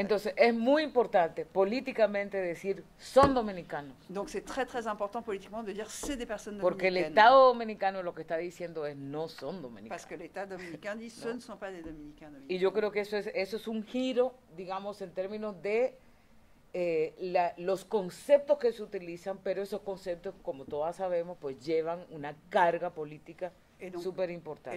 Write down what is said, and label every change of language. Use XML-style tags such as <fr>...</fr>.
<es>Entonces es muy importante políticamente decir son dominicanos.</es> <fr>Donc c'est très très important politiquement de dire c'est des personnes</fr> <es>porque Porque el Estado dominicano lo que está diciendo es no son dominicanos.</es> <fr>Parce que l'État dominicain dit ce ne sont pas des dominicains.</fr> <es>Y yo creo que eso es un giro, digamos, en términos de los conceptos que se utilizan, pero esos conceptos, como todas sabemos, pues llevan una carga política súper importante.</es>